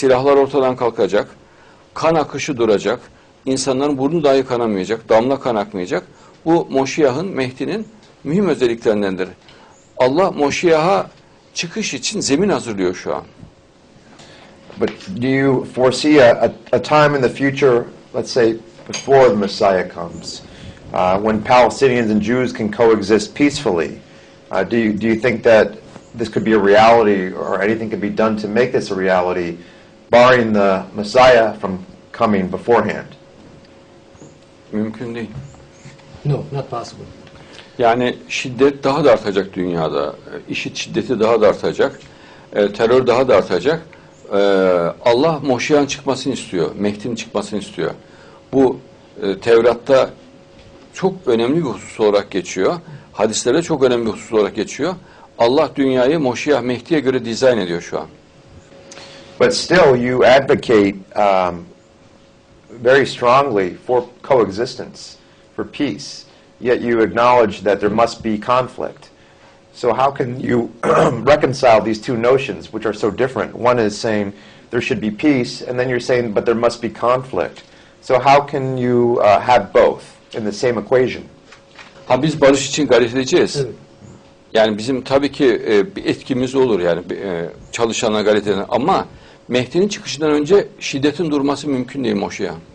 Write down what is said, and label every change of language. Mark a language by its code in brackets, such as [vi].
[tr] Silahlar ortadan kalkacak. Kan akışı duracak. İnsanların burnu dahi kanamayacak, damla kan akmayacak. Bu Moşiyah'ın, Mehdi'nin mühim özelliklerindendir. Allah Moşiyah'a çıkış için zemin hazırlıyor şu an. [en] But do you foresee a time in the future, let's say before the Messiah comes, when Palestinians and Jews can coexist peacefully? Do you think that this could be a reality or anything could be done to make this a reality, barring the Messiah from coming beforehand? [tr] Mümkün değil. [en] No, not possible. [tr] Yani şiddet daha da artacak dünyada. IŞİD şiddeti daha da artacak. Terör daha da artacak. Allah Moşiyan çıkmasını istiyor. Mehdi'nin çıkmasını istiyor. Bu Tevrat'ta çok önemli bir husus olarak geçiyor. Hadislerde çok önemli bir husus olarak geçiyor. Allah dünyayı Moşiyah Mehdi'ye göre dizayn ediyor şu an. [en] But still you advocate very strongly for coexistence, for peace, yet you acknowledge that there must be conflict. So how can you reconcile these two notions, which are so different? One is saying there should be peace, and then you're saying, but there must be conflict. So how can you have both in the same equation? [tr] Ha, biz barış için gayret edeceğiz. Yani bizim tabii ki bir etkimiz olur yani çalışanlar gayret eden ama Mehdi'nin çıkışından önce şiddetin durması mümkün değil Moşiyah.